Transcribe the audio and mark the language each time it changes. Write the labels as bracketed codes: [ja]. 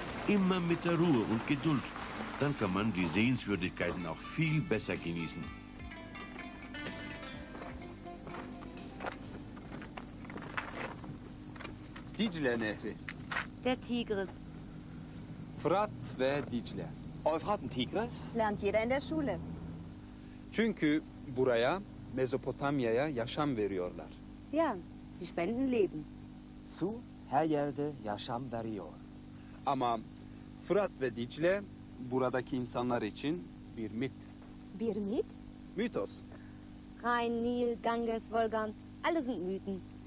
[de] Immer mit der Ruhe und Geduld. Dann kann man die Sehenswürdigkeiten auch viel besser genießen. [tr] Dicle Nehri. [de] Der Tigris. [tr] Fırat ve Dicle. [de] Euphrat und Tigris? Lernt jeder in der Schule. [tr] Çünkü buraya, Mezopotamya'ya yaşam veriyorlar. [de] Ja, sie spenden Leben. [tr] Zu her yerde yaşam veriyor. Ama Fırat ve Dicle buradaki insanlar için bir mit. Bir mit? [de] Mythos. Rhein, Nil, Ganges, Volga, alle sind Mythen.